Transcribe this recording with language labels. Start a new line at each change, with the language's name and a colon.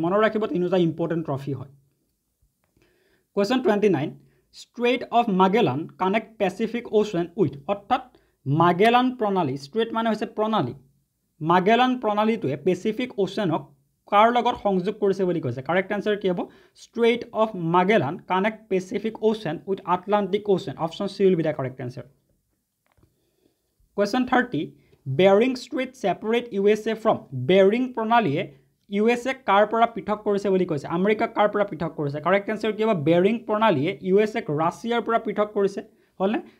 Assamese: মনত ৰাখিব তিনিওটা
English: important trophy
Assamese: হয়।
English: question 29, strait of Magellan connect Pacific ocean with,
Assamese: অৰ্থাৎ মাগেলান প্ৰণালী, ষ্ট্ৰেইট মানে হৈছে প্ৰণালী, মাগেলান প্ৰণালীটোৱে পেচিফিক ওচিয়ানক কাৰ লগত সংযোগ কৰিছে বুলি কৈছে?
English: correct answer
Assamese: কি হ'ব?
English: Strait of Magellan connect Pacific ocean with Atlantic ocean. Option C will be the correct answer. Question 30, Bering strait separate U S A from,
Assamese: bearing প্ৰণালীয়ে U S এক কাৰ পৰা পৃথক কৰিছে বুলি কৈছে, আমেৰিকাক কাৰ পৰা পৃথক কৰিছে? কাৰেক্ট এনচাৰ কি হ'ব? বেৰিং প্ৰণালীয়ে ইউ এছ এক ৰাছিয়াৰ পৰা পৃথক কৰিছে। হ'লনে?